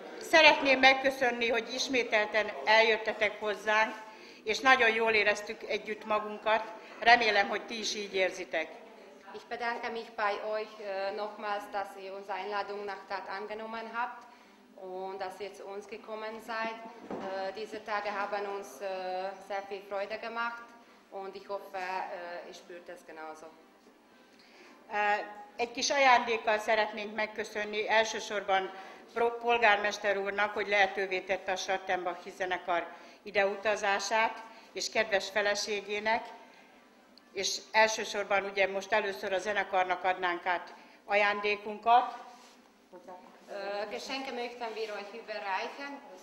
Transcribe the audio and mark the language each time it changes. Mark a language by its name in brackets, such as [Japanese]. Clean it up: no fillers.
[Hungarian] Szeretném megköszönni, hogy ismételten eljöttetek hozzánk, és nagyon jól éreztük együtt magunkat. Remélem, hogy ti is így érzitek. [German] Ich bedanke mich bei euch nochmals, dass ihr uns Einladung nach Tat angenommen habt und dass ihr zu uns gekommen seid. Diese Tage haben uns sehr viel Freude gemacht und ich hoffe, ihr spürt es genauso. [Hungarian] Egy kis ajándékkal szeretnénk megköszönni elsősorban polgármester úrnak, hogy lehetővé tette a Schattenbachi zenekar ideutazását, és kedves feleségének, és elsősorban ugye most először a zenekarnak adnánk át ajándékunkat. [German] Geschenke möchten wir euch überreichen.